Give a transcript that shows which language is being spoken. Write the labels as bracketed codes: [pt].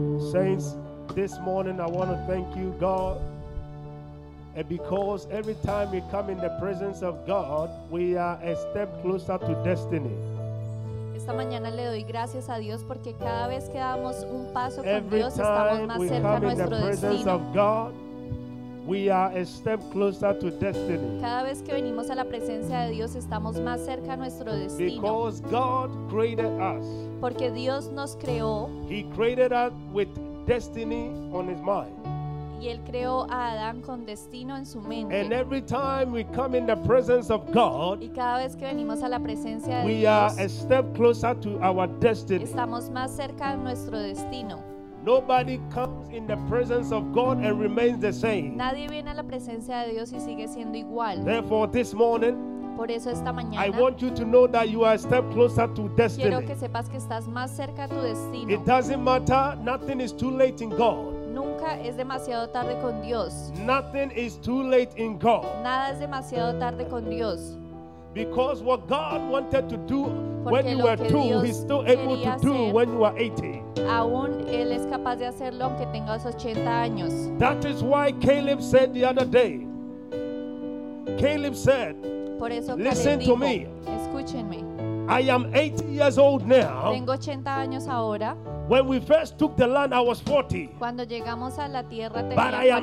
[en] Saints, this morning I want to thank you, God. And because every time we come in the presence of God, we are a step closer to destiny. [es] Esta mañana le doy gracias a Dios porque cada vez que damos un paso con Every Dios estamos más cerca a nuestro destino. [en] The presence of God, we are a step closer to destiny. [es] Cada vez que venimos a la presencia de Dios estamos más cerca a nuestro destino. [en] Because God created us. [es] Porque Dios nos creó. [en] He created us with destiny on his mind. [es] Y él creó a Adán con destino en su mente. [en] And every time we come in the presence of God, [es] y cada vez que venimos a la presencia de [en] we [es] Dios, [en] are a step closer to our destiny. [es] Estamos más cerca de nuestro destino. [en] Nobody comes in the presence of God and remains the same. [es] Nadie viene a la presencia de Dios y sigue siendo igual. [en] Therefore, this morning, [es] por eso esta mañana, [en] I want you to know that you are a step closer to destiny. [es] Quiero que sepas que estás más cerca a tu destino. [en] It doesn't matter. Nothing is too late in God. [es] Nunca es demasiado tarde con Dios. [en] Nothing is too late in God. [es] Nada es demasiado tarde con Dios. [en] Because what God wanted to do [es] Porque [en] when you were two, [es] Dios [en] he's still able to do when you are 80. [es] Aún él es capaz de hacerlo aunque tengas 80 años. [en] That is why Caleb said the other day. Caleb said, [es] Por eso Caleb [en] listen [es] dijo, [en] to me. [es] Escúchenme. [en] I am 80 years old now. [es] Tengo 80 años ahora. [en] When we first took the land, I was 40. [es] Cuando llegamos a la tierra, tenía [en] but I am